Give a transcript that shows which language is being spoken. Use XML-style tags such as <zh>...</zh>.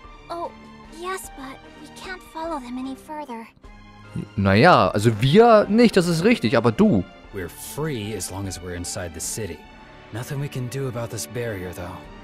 <en>Oh, yes, but we can't follow them any further.</en> <de>Naja, also wir nicht, das ist richtig, aber du.</de> <en>We're free as long as we're inside the city. Nothing we can do about this barrier, though.</en>